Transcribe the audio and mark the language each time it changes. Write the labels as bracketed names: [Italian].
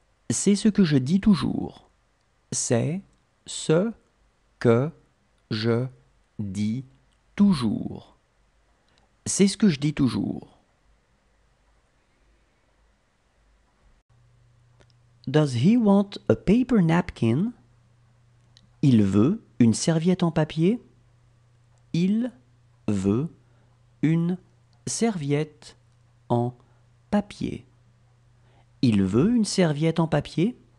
[French] C'est ce que je dis toujours. C'est ce que je dis toujours. C'est ce que je dis toujours. [English] Does he want a paper napkin? [French] Il veut une serviette en papier? Il veut une serviette en papier. Il veut une serviette en papier?